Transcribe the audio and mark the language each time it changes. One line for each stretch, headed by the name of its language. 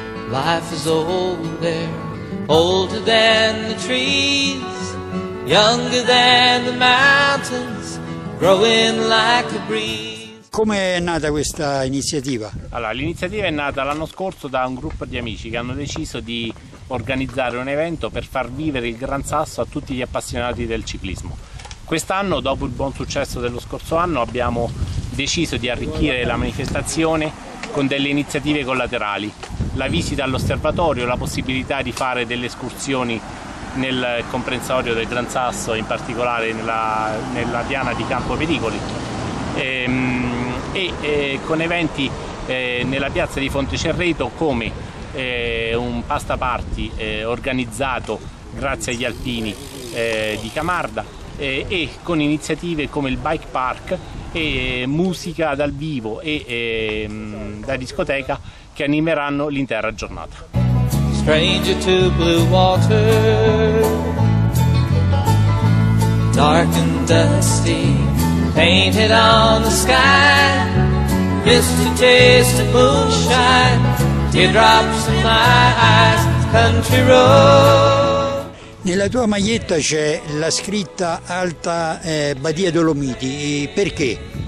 English: Life is old there, older than the trees, younger than the mountains, growing like a breeze.
Italian: Come è nata questa iniziativa? Allora, l'iniziativa è nata l'anno scorso da un gruppo di amici che hanno deciso di organizzare un evento per far vivere il Gran Sasso a tutti gli appassionati del ciclismo. Quest'anno, dopo il buon successo dello scorso anno, abbiamo deciso di arricchire la manifestazione con delle iniziative collaterali. La visita all'osservatorio, la possibilità di fare delle escursioni nel comprensorio del Gran Sasso, in particolare nella piana di Campo Pericoli, e con eventi nella piazza di Fontecerreto, come un pasta party organizzato grazie agli alpini di Camarda, e con iniziative come il bike park e musica dal vivo e da discoteca che animeranno l'intera giornata.
English: Stranger to blue water, dark and dusty, painted on the sky, missed a taste of moonshine, teardrops in my eyes, country road.
Italian: Nella tua maglietta c'è la scritta Alta Badia Dolomiti, perché?